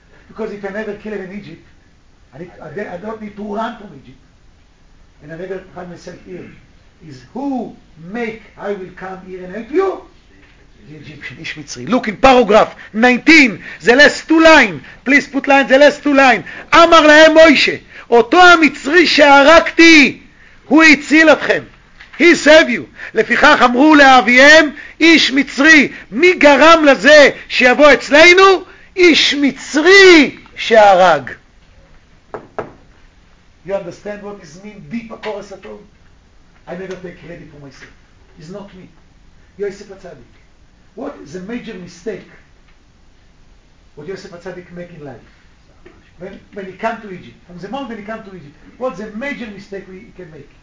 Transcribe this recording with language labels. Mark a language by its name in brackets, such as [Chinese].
[English] Because if I never kill him in Egypt, I don't need to run from Egypt. And I never find myself here. Is who make I will come here and help you? The Egyptian, Ish Mitzri. Look in paragraph 19, the last two line. Please put line, the last two line. [Hebrew] Amar lahem Moshe, אותו המצרי שהרקתי, הוא הציל אתכם. [English] He save you. [Hebrew] לפיכך אמרו לאביהם, איש מצרי, מי גרם לזה שיבוא אצלנו? איש מצרי שהרג. [English] You understand what is mean deep הקורס הטוב? I never take credit for myself. It's not me. Yosef HaTzadik. What is a major mistake what Yosef HaTzadik make in life? When he come to Egypt. From the moment when he come to Egypt. What's the major mistake he can make?